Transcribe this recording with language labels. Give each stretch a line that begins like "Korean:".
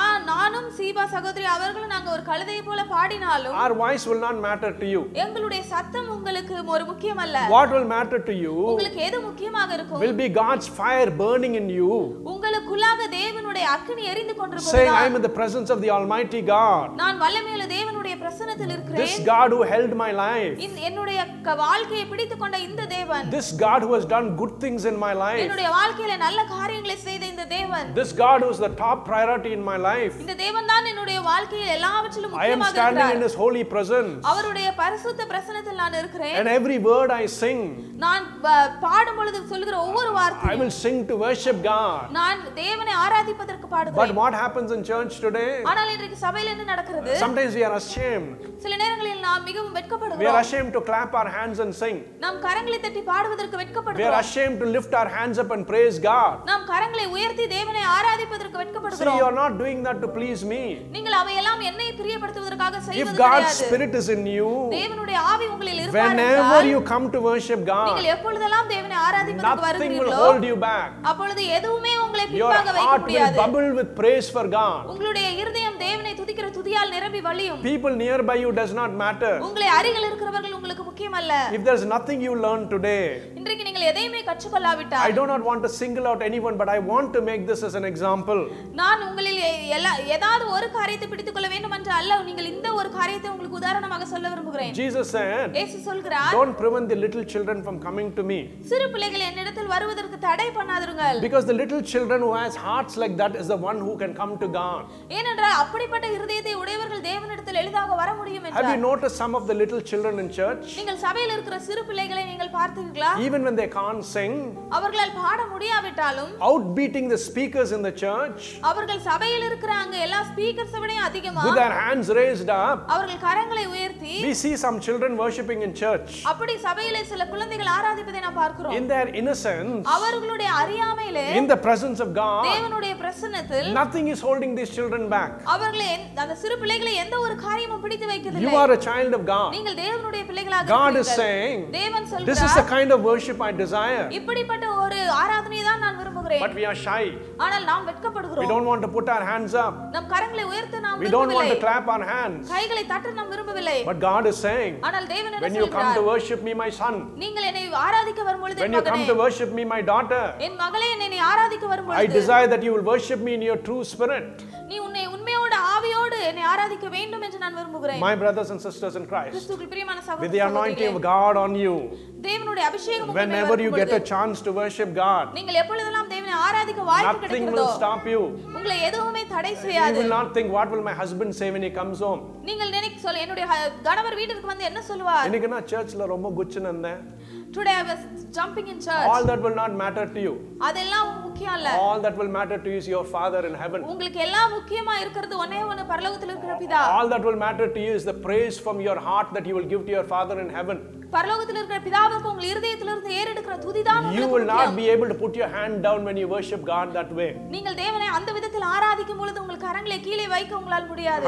Tamil: நானும் சீபா சகோதரி அவர்களும் நாங்க ஒரு கழுதையை போல பாடினாலும்
English: our voice will not matter to you.
Tamil: எங்களுடைய சத்தம் உங்களுக்கு ஒரு முக்கியம் அல்ல.
English: What will matter to you?
Tamil: உங்களுக்கு எது முக்கியமாக இருக்கும்?
English: Will be God's fire burning in you.
Tamil: உங்களுக்குள்ளாக தேவனுடைய அக்கினி எரிந்து கொண்டிருக்கிறது.
English: Say I am in the presence of the Almighty God.
Tamil: நான் வல்லமையுள்ள தேவனுடைய பிரசன்னத்தில் இருக்கிறேன்.
English: This God who held my life.
Tamil: என்னுடைய வாழ்க்கையை பிடித்துக் கொண்ட இந்த தேவன்.
English: This God who has done good things in my life.
Tamil: என்னுடைய வாழ்க்கையில நல்ல காரியங்களை செய்த இந்த தேவன்.
English: This God who is the top priority in my my life.
Tamil: இந்த தேவன் தான் என்னுடைய வாழ்க்கையில் எல்லாவற்றிலும் முக்கியமாக இருக்கிறார்.
English: I am standing in his holy presence.
Tamil: அவருடைய பரிசுத்த பிரசன்னத்தில் நான் இருக்கிறேன்.
English: And every word I sing.
Tamil: நான் பாடும் பொழுது சொல்கிற ஒவ்வொரு வார்த்தையும்
English: I will sing to worship God.
Tamil: நான் தேவனை ஆராதிப்பதற்கு பாடுகிறேன்.
English: But what happens in church today?
Tamil: ஆனால் இன்றைக்கு சபையில் என்ன நடக்கிறது?
English: Sometimes we are ashamed.
Tamil: சில நேரங்களில் நாம் மிகவும் வெட்கப்படுகிறோம்.
English: We are ashamed to clap our hands and sing.
Tamil: நம் கரங்களை தட்டி பாடுவதற்கு வெட்கப்படுகிறோம்.
English: We are ashamed to lift our hands up and praise God.
Tamil: நம் கரங்களை உயர்த்தி தேவனை ஆராதிப்பதற்கு வெட்கப்படுகிறோம்.
English: You are not doing that to please me.
Tamil: நீங்கள் அவையெல்லாம் என்னை பிரியப்படுத்துவதற்காக செய்வது கிடையாது.
English: If God's spirit is in you,
Tamil: தேவனுடைய ஆவி உங்களில் இருப்பார் என்றால்,
English: whenever you come to worship God,
Tamil: நீங்கள் எப்பொழுதெல்லாம் தேவனை ஆராதிப்பதற்கு வருகிறீர்களோ,
English: nothing will hold you back.
Tamil: அப்பொழுது எதுவுமே உங்களை பின்பாக வைக்க முடியாது.
English: Your heart will bubble with praise for God.
Tamil: உங்களுடைய இதயம் தேவனை துதிக்கிற துதியால் நிரம்பி வழியும்.
English: People nearby you does not matter.
Tamil: உங்களை அருகில் இருக்கிறவர்கள் உங்களுக்கு முக்கியமல்ல.
English: If there's nothing you learn today,
Tamil: இன்றைக்கு நீங்கள் எதையுமே கற்றுக்கொள்ளாவிட்டால்,
English: I do not want to single out anyone, but I want to make this as an example.
Tamil: நான் உங்களில் ஏதாவது ஒரு காரியத்தை பிடித்துக் கொள்ள வேண்டும் என்று அல்ல, நீங்கள் இந்த ஒரு காரியத்தை உங்களுக்கு உதாரணமாக சொல்ல விரும்புகிறேன்.
English: Jesus said,
Tamil: இயேசு சொல்கிறார்,
English: Don't prevent the little children from coming to me.
Tamil: சிறு பிள்ளைகளை என்னிடத்தில் வருவதற்கு தடை பண்ணாதிருங்கள்.
English: Because the little children who has hearts like that is the one who can come to God.
Tamil: ஏனென்றால் அப்படிப்பட்ட இருதயத்தை உடையவர்கள் தேவனிடத்தில் எளிதாக வர முடியும் என்றார்.
English: Have you noticed some of the little children in church?
Tamil: நீங்கள் சபையில் இருக்கிற சிறு பிள்ளைகளை நீங்கள் பார்த்தீர்களா?
English: Even when they can't sing,
Tamil: அவர்களால் பாட முடியாவிட்டாலும்,
English: outbeating the speakers in the church,
Tamil: அவர்கள் சபையில் இருக்கறாங்க எல்லா ஸ்பீக்கர்ஸ் விடையும் அதிகமா,
English: with their hands raised up,
Tamil: அவர்கள் கரங்களை உயர்த்தி,
English: we see some children worshiping in church.
Tamil: அப்படி சபையிலே சில குழந்தைகள் ஆராதிப்பதை நாம் பார்க்கிறோம்.
English: In their innocence,
Tamil: அவர்களுடைய அறியாமையிலே,
English: in the presence of God,
Tamil: தேவனுடைய பிரசன்னத்தில்,
English: nothing is holding these children back.
Tamil: அவர்களை அந்த சிறு பிள்ளைகளை எந்த ஒரு காரியமும் பிடித்து வைக்கவில்லை.
English: You are a child of God.
Tamil: நீங்கள் தேவனுடைய பிள்ளைகளாக இருக்கிறீர்கள்.
English: God is saying,
Tamil: தேவன் சொல்றார்,
English: this is the kind of worship I desire.
Tamil: இப்படிப்பட்ட ஒரு ஆராதனையை தான் நான் விரும்புகிறேன்.
English: But we are shy.
Tamil: ஆனால் நாம் வெட்கப்படுகிறோம்.
English: We don't want to put our hands up.
Tamil: நம் கரங்களை உயர்த்த நாம் விரும்பவில்லை.
English: We don't want to clap our hands.
Tamil: கைகளை தட்ட நாம் விரும்பவில்லை.
English: But God is saying,
Tamil: ஆனால் தேவன் என்ன சொல்கிறார்,
English: when you come to worship me, my son,
Tamil: நீங்கள் என்னை ஆராதிக்க வரும்பொழுது,
English: when you come to worship me, my daughter,
Tamil: என் மகளே என்னை ஆராதிக்க வரும்பொழுது,
English: I desire that you will worship me in your true spirit.
Tamil: நீ உன்னை உண்மையோடு ஆவியோடு என்னை ஆராதிக்க வேண்டும் என்று நான் விரும்புகிறேன்.
English: My brothers and sisters in Christ,
Tamil: கிறிஸ்துவுக்குள் பிரியமான சகோதரர்களே,
English: with the anointing of God on you,
Tamil: தேவனுடைய அபிஷேகம் உங்கள் மேல் வரும்பொழுது,
English: whenever you get a chance to worship God,
Tamil: நீங்கள் எப்பொழுதெல்லாம் தேவனை ஆராதிக்க வாய்ப்பு கிடைக்கிறதோ,
English: nothing will stop you.
Tamil: உங்களை எதுவுமே தடை செய்யாது.
English: You will not think, what will my husband say when he comes home?
Tamil: நீங்கள் நினைக்க சொல்ல, என்னுடைய கணவர் வீட்டுக்கு வந்து என்ன சொல்வார்? இன்னைக்கு நான் சர்ச்சில் ரொம்ப குச்சின்னு இருந்தேன்.
English: Today I was jumping in church. All that will not matter to you.
Tamil: அதெல்லாம் முக்கியம் இல்ல.
English: All that will matter to you is your father in heaven.
Tamil: உங்களுக்கு எல்லாம் முக்கியமா இருக்குது ஒண்ணே ஒண்ணு பரலோகத்தில் இருக்கிற பிதா.
English: All that will matter to you is the praise from your heart that you will give to your father in heaven.
Tamil: பரலோகத்தில் இருக்கிற பிதாவுக்கு உங்கள் இதயத்தில் இருந்து ஏறெடுக்கிற துதி தான் உங்களுக்கு.
English: You will not be able to put your hand down when you worship God that way.
Tamil: நீங்கள் தேவனை அந்த விதத்தில் ஆராதிக்கும் பொழுது உங்கள் கரங்களை கீழே வைக்க உங்களால் முடியாது.